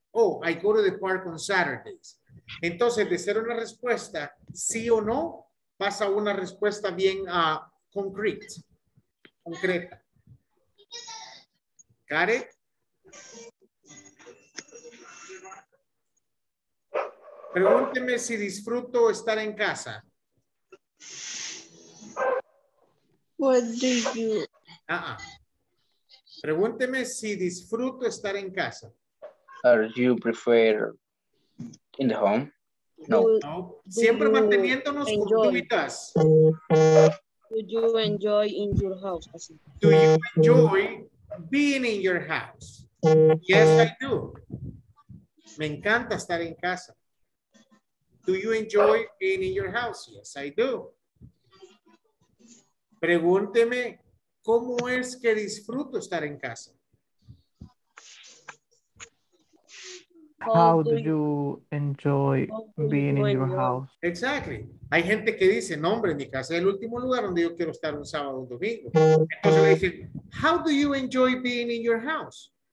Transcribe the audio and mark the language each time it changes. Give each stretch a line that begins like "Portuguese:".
English: Oh, I go to the park on Saturdays.
Spanish: Entonces, de ser una respuesta, sí o no, pasa una respuesta bien concreta. ¿Care? Pregúnteme si disfruto estar en casa.
English: What do you...
Spanish: Pregúnteme si disfruto estar en casa.
English: Are you prefer in the home?
Spanish: No. Siempre manteniéndonos continuitas.
English: Do you enjoy in your house? Do you enjoy being in your house? Yes, I do.
Spanish: Me encanta estar en casa.
English: Do you enjoy being in your house? Yes, I do.
Spanish: Pregúnteme, ¿cómo es que disfruto estar en casa?
English: How do you enjoy being in your house? Exactly.
Spanish: Hay gente que dice, no hombre, mi casa es el último lugar donde yo quiero estar un sábado o un domingo. Entonces le dicen,
English: how do you enjoy being in your house?